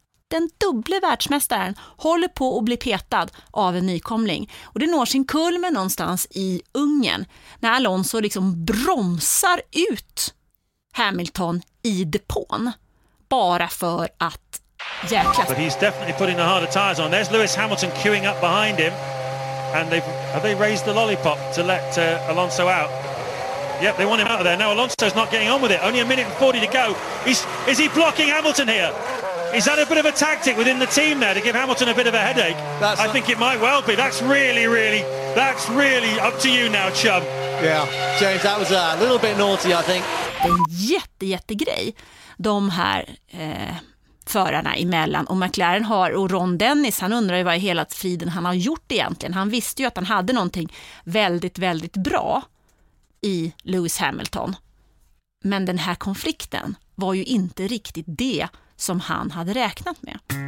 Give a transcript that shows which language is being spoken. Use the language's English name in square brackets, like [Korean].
[Swedish] Den dubbla världsmästaren håller på att bli petad av en nykomling. Och det når sin kulmen någonstans i Ungern när Alonso liksom bromsar ut Hamilton i depån bara för att jäklas. [English] But he's definitely putting the harder tires on. There's Lewis Hamilton queuing up behind him. And they raised the lollipop to let Alonso out. Yep, they want him out of there. Now Alonso's not getting on with it. Only a minute and 40 to go. Is he blocking Hamilton here? Is that a bit of a tactic within the team there to give Hamilton a bit of a headache? I think it might well be. That's really up to you now, chum. Yeah, James, that was a little bit naughty, I think. [Swedish] Det är en jättegrej, de här förarna emellan. Och McLaren har, och Ron Dennis, han undrar ju vad i hela friden han har gjort egentligen. Han visste ju att han hade någonting väldigt, väldigt bra i Lewis Hamilton. Men den här konflikten var ju inte riktigt det som han hade räknat med.